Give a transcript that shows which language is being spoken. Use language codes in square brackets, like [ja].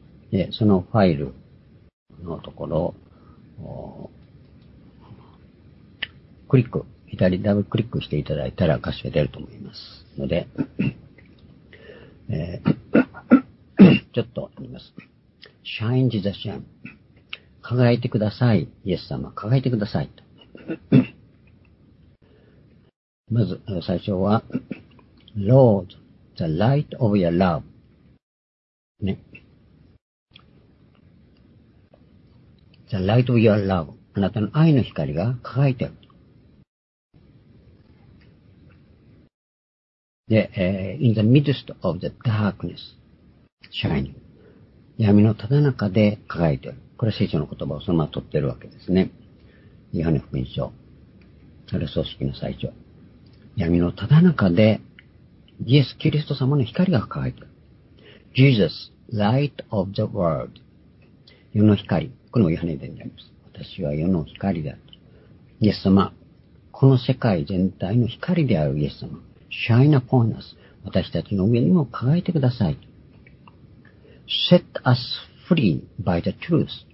[ja] で、そのファイルのところをクリック、左ダブルクリックしていただいたら歌詞が出ると思いますので、ちょっと読みます。 [en] Shine the sun. [ja] 輝いてください、イエス様、輝いてくださいと。まず、最初は、 [en] Lord, the light of your love. [ja] ね。 [en] The light of your love. [ja] あなたの愛の光が輝いている。 [en] で、in the midst of the darkness, shining. [ja] 闇のただ中で輝いている。これは聖書の言葉をそのまま取っているわけですね。ヨハネ福音書、あれ葬式の最初。闇のただ中で、イエス・キリスト様の光が輝いている。 [en] Jesus, light of the world. [ja] 世の光。これもヨハネ伝であります。私は世の光であると。イエス様。この世界全体の光であるイエス様。 [en] Shine upon us. [ja] 私たちの上にも輝いてください。 [en] Set us free by the truth.